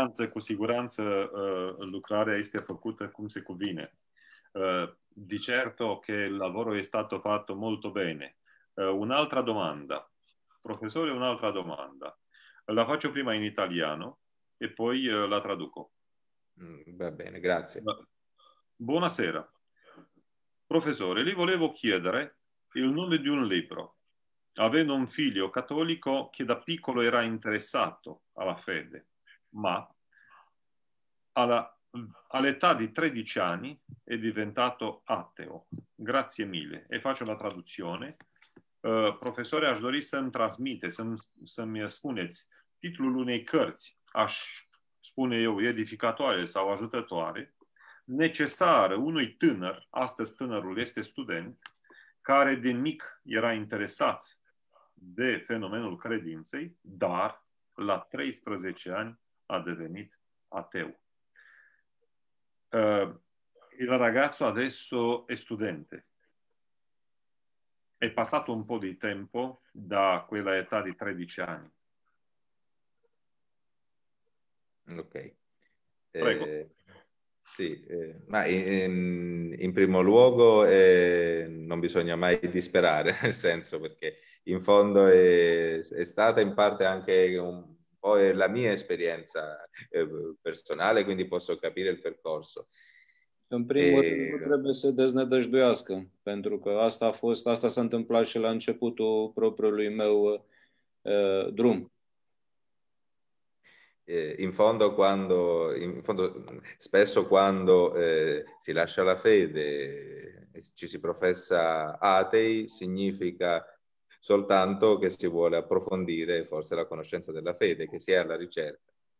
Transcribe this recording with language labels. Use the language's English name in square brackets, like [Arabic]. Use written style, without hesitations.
[Romanian] Cu siguranță, lucrarea este făcută cum se cuvine. [Italian] Di certo che il lavoro è stato fatto molto bene. Un'altra domanda. Professore, un'altra domanda. La faccio prima in italiano e poi la traduco. Va bene, grazie. Buonasera. Professore, le volevo chiedere il nome di un libro. Avendo un figlio cattolico che da piccolo era interessato alla fede, ma all'età di 13 anni è diventato ateo. Grazie mille. E faccio la traduzione. [Romanian] Professore, aș dori să-mi transmite, să-mi spuneți titlul unei cărți, aș spune eu, edificatoare sau ajutătoare, necesar unui tânăr, astăzi tânărul este student, care din mic era interesat de fenomenul credinței, dar la 13 ani a devenit ateu. [Italian] Il ragazzo adesso è studente. È passato un po' di tempo da quella età di 13 anni. Ok. Prego. Sì, ma in primo luogo non bisogna mai disperare, nel senso perché in fondo è stata in parte anche un po' la mia esperienza personale, quindi posso capire il percorso. [Romanian] În primul rând trebuie să deznădăjduiască, pentru că asta s-a întâmplat și la începutul propriului meu drum. [Italian] In fondo, spesso quando si lascia la fede e ci si professa atei, significa soltanto che si vuole approfondire forse la conoscenza della fede, che si è alla ricerca.